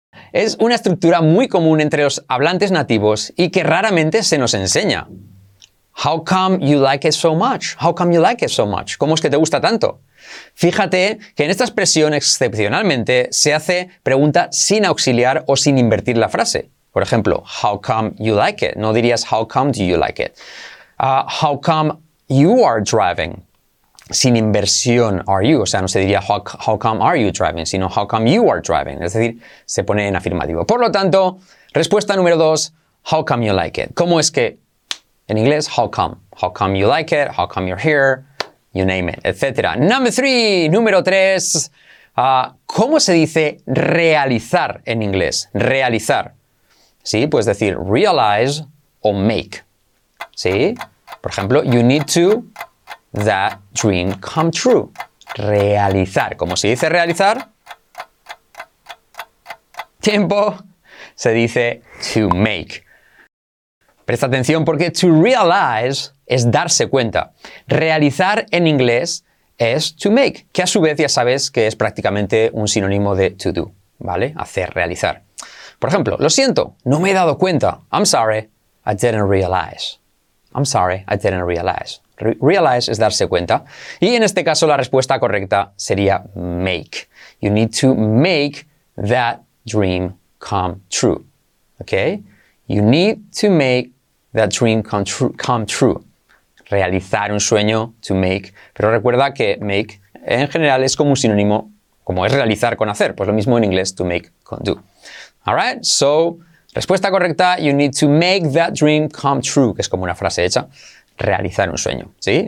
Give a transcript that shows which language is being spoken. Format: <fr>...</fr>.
<es>Es una estructura muy común entre los hablantes nativos y que raramente se nos enseña.</es> <en>How come you like it so much? How come you like it so much?</en> <es>¿Cómo es que te gusta tanto? Fíjate que en esta expresión, excepcionalmente, se hace pregunta sin auxiliar o sin invertir la frase. Por ejemplo,</es> <en>how come you like it?</en> <es>No dirías</es> <en>how come do you like it. How come you are driving?</en> <es>Sin inversión</es> <en>are you.</en> <es>O sea, no se diría</es> <en>how come are you driving,</en> <es>sino</es> <en>how come you are driving.</en> <es>Es decir, se pone en afirmativo. Por lo tanto, respuesta número dos,</es> <en>how come you like it.</en> <es>¿Cómo es que? En inglés,</es> <en>how come. How come you like it, how come you're here, you name it, etc.</en> <es>Número tres, ¿cómo se dice realizar en inglés? Realizar. ¿Sí? Puedes decir realize o make. ¿Sí? Por ejemplo,</es> <en>you need to that dream come true.</en> <es>Realizar. ¿Cómo se dice realizar? Tiempo. Se dice to make. Presta atención porque to realize es darse cuenta. Realizar en inglés es to make, que a su vez ya sabes que es prácticamente un sinónimo de to do, ¿vale? Hacer, realizar. Por ejemplo, lo siento, no me he dado cuenta.</es> <en>I'm sorry, I didn't realize. I'm sorry, I didn't realize. Realize</en> <es>es darse cuenta. Y en este caso la respuesta correcta sería make.</es> <en>You need to make that dream come true. Okay? You need to make that dream come true.</en> <es>Realizar un sueño, to make. Pero recuerda que make en general es como un sinónimo, como es realizar con hacer. Pues lo mismo en inglés, to make con do.</es> <en>All right, so,</en> <es>respuesta correcta,</es> <en>you need to make that dream come true,</en> <es>que es como una frase hecha, realizar un sueño, ¿sí?</es>